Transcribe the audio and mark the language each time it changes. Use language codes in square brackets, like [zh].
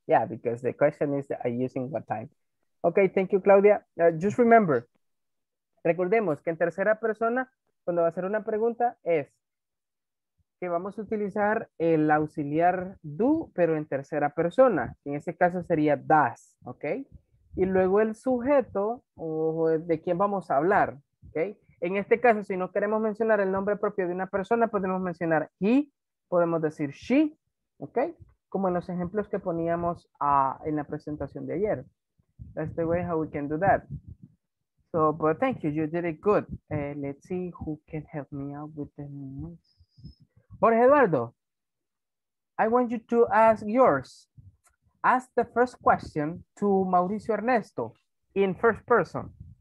[en] Yeah, because the question is, are you using what time? Okay, thank you, Claudia. Just remember, [es] recordemos que en tercera persona, cuando va a hacer una pregunta, es que vamos a utilizar el auxiliar do, pero en tercera persona. En este caso sería does, okay? Y luego el sujeto o de quién vamos a hablar, okay? En este caso, si no queremos mencionar el nombre propio de una persona, podemos mencionar he, podemos decir she, ¿ok? Como en los ejemplos que poníamos en la presentación de ayer. [en] That's the way how we can do that. So, but thank you, you did it good. Let's see who can help me out with the names. Jorge Eduardo, I want you to ask yours. Ask the first question to Mauricio Ernesto in first person.